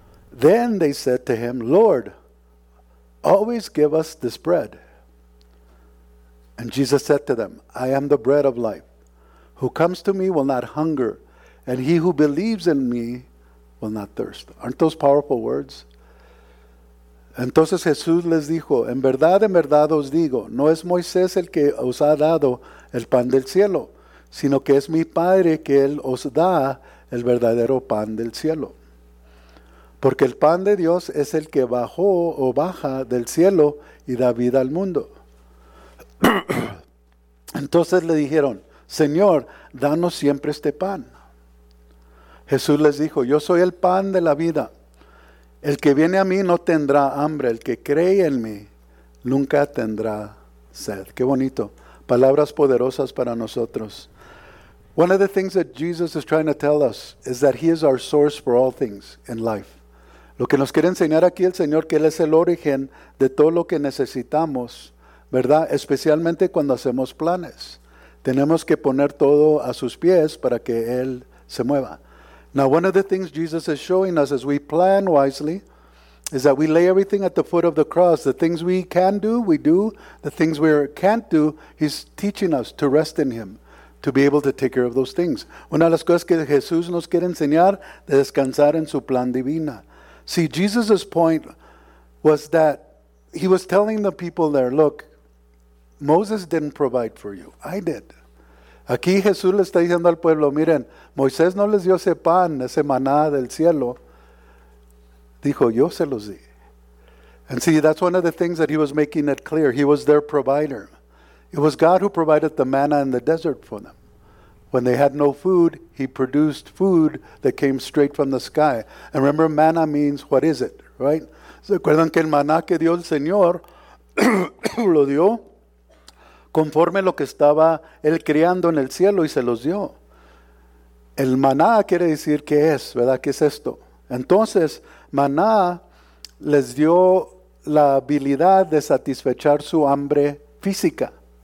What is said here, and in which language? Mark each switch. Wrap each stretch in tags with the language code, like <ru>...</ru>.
<en>Then they said to him, Lord, always give us this bread. And Jesus said to them, I am the bread of life. Who comes to me will not hunger, And he who believes in me will not thirst. Aren't those powerful words?</en> <es>Entonces Jesús les dijo, en verdad os digo, no es Moisés el que os ha dado el pan del cielo, sino que es mi Padre que él os da el verdadero pan del cielo. Porque el pan de Dios es el que bajó o baja del cielo y da vida al mundo. Entonces le dijeron, Señor, danos siempre este pan. Jesús les dijo, yo soy el pan de la vida. El que viene a mí no tendrá hambre. El que cree en mí nunca tendrá sed. Qué bonito. Palabras poderosas para nosotros.</es> <en>One of the things that Jesus is trying to tell us is that he is our source for all things in life.</en> <es>Lo que nos quiere enseñar aquí el Señor, que Él es el origen de todo lo que necesitamos, ¿verdad? Especialmente cuando hacemos planes. Tenemos que poner todo a sus pies para que Él se mueva.</es> <en>Now, one of the things Jesus is showing us as we plan wisely is that we lay everything at the foot of the cross. The things we can do, we do. The things we can't do, he's teaching us to rest in him, to be able to take care of those things.</en> <es>Una de las cosas que Jesús nos quiere enseñar es descansar en su plan divina.</es> <en>See, Jesus' point was that he was telling the people there, look, Moses didn't provide for you. I did.</en> <es>Aquí Jesús le está diciendo al pueblo, miren, Moisés no les dio ese pan, ese maná del cielo. Dijo, yo se los di.</es> <en>And see, that's one of the things that he was making it clear. He was their provider. It was God who provided the manna in the desert for them. When they had no food, he produced food that came straight from the sky. And remember, manna means, what is it, right?</en> <es>¿Se acuerdan que el maná que dio el Señor lo dio conforme lo que estaba él criando en el cielo y se los dio? El maná quiere decir, ¿qué es, verdad? ¿Qué es esto? Entonces, maná les dio la habilidad de satisfechar su hambre física.</es>